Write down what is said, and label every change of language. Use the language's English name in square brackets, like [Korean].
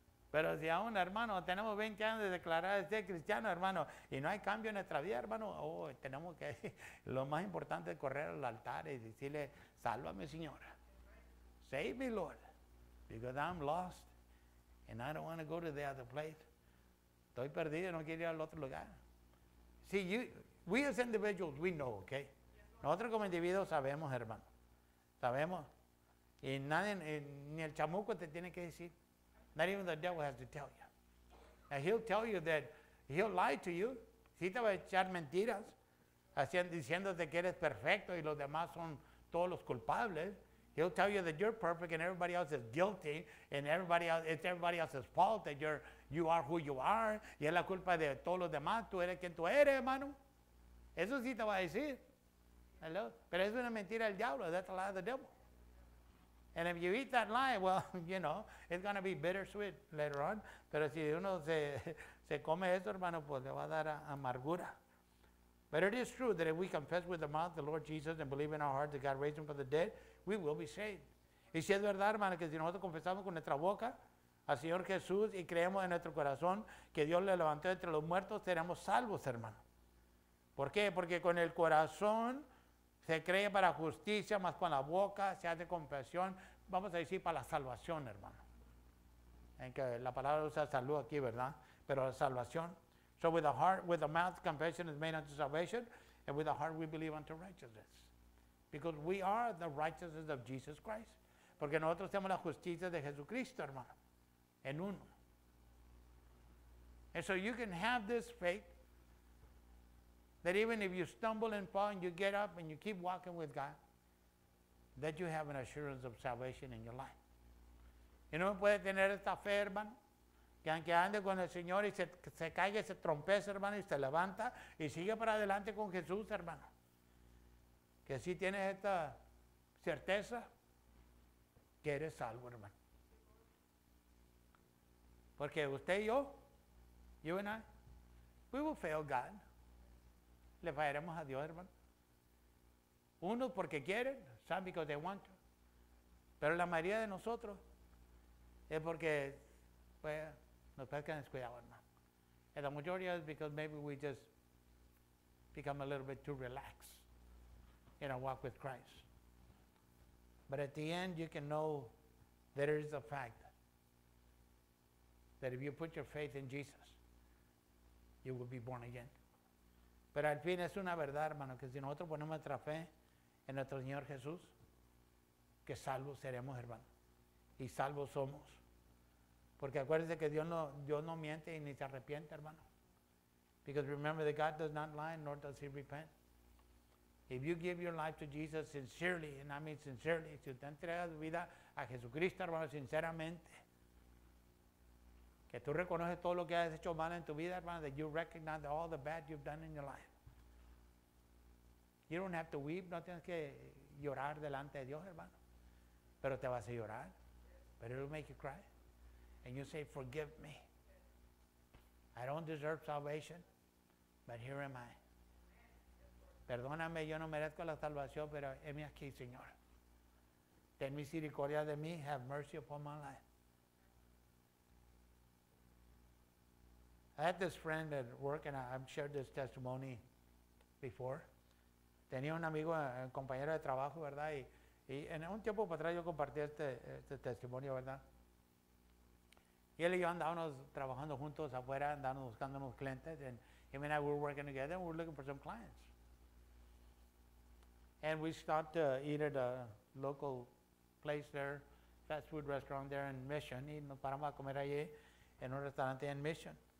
[Spanish] Pero si aún, hermano, tenemos 20 años de declarar ser cristiano, hermano, y no hay cambio en nuestra vida, hermano, tenemos que, lo más importante es correr al altar y decirle, sálvame, Señor. [English] Save me, Lord, because I'm lost, and I don't want to go to the other place. [Spanish] Estoy perdido, no quiero ir al otro lugar. [English] See, we as individuals, we know, okay? [Spanish] Nosotros como individuos sabemos, hermano. Sabemos. Y nadie, ni el chamuco te tiene que decir. [English] Not even the devil has to tell you. And he'll tell you that he'll lie to you. [Spanish] Si te va a echar mentiras, diciéndote que eres perfecto y los demás son todos los culpables. [English] He'll tell you that you're perfect and everybody else is guilty and it's everybody else's fault that you are who you are. [Spanish] Y es la culpa de todos los demás. Tú eres quien tú eres, hermano. Eso sí te va a decir. [English] Hello? [Spanish] Pero es una mentira del diablo. [English] That's a lie of the devil. And if you eat that lie, well, you know, it's going to be bittersweet later on. [Spanish] Pero si uno se come eso, hermano, pues le va a dar amargura. [English] But it is true that if we confess with the mouth the Lord Jesus and believe in our heart that God raised him from the dead, we will be saved. [Spanish] Y si es verdad, hermano, que si nosotros confesamos con nuestra boca al Señor Jesús y creemos en nuestro corazón que Dios le levantó entre los muertos, seremos salvos, hermano. ¿Por qué? Porque con el corazón se cree para justicia, más con la boca se hace confesión, vamos a decir para la salvación, hermano. En que la palabra usa salud aquí, ¿verdad? Pero la salvación. [English] So with the heart, with the mouth, confession is made unto salvation, and with the heart we believe unto righteousness. Because we are the righteousness of Jesus Christ. [Spanish] Porque nosotros somos la justicia de Jesucristo, hermano. En uno. [English] And so you can have this faith that even if you stumble and fall and you get up and you keep walking with God, that you have an assurance of salvation in your life. [Spanish] Y no puede tener esta fe, hermano, que aunque ande con el Señor y se caiga, se trompece, hermano, y se levanta y sigue para adelante con Jesús, hermano. Que si tienes esta certeza que eres salvo, hermano. Porque usted y yo, [English] you and I, we will fail God. [Spanish] Le fallaremos a Dios, hermano. Unos porque quieren, [English] some because they want to. [Spanish] Pero la mayoría de nosotros es porque pues, nos pescan descuidados, hermano. [English] And the majority is because maybe we just become a little bit too relaxed in our walk with Christ. But at the end, you can know that it is a fact that if you put your faith in Jesus, you will be born again. [Spanish] Pero al fin es una verdad, hermano, que si nosotros ponemos nuestra fe en nuestro Señor Jesús, que salvos seremos, hermano, y salvos somos. Porque acuérdense que Dios no miente y ni se arrepiente, hermano. [English] Because remember that God does not lie, nor does he repent. If you give your life to Jesus sincerely, and I mean sincerely, [Spanish] si usted entrega su vida a Jesucristo, hermano, sinceramente, que tú reconoces todo lo que has hecho mal en tu vida, hermano, [English] that you recognize all the bad you've done in your life. You don't have to weep, [Spanish] no tienes que llorar delante de Dios, hermano. Pero te vas a llorar. [English] But it'll make you cry. And you say, forgive me. I don't deserve salvation, but here am I. [Spanish] Perdóname, yo no merezco la salvación, pero heme aquí, Señor. Ten misericordia de mí, [English] have mercy upon my life. I had this friend at work, and I've shared this testimony before. [Spanish] Tenía un amigo, un compañero de trabajo, ¿verdad? Y en un tiempo para atrás yo compartí este testimonio, ¿verdad? Y él y yo andábamos trabajando juntos afuera, andábamos buscando unos clientes. [English] And him and I were working together, and we were looking for some clients. And we stopped to eat at a local place there, fast food restaurant there in Mission. [Spanish] Y nos paramos a comer allí en un restaurante en Mission.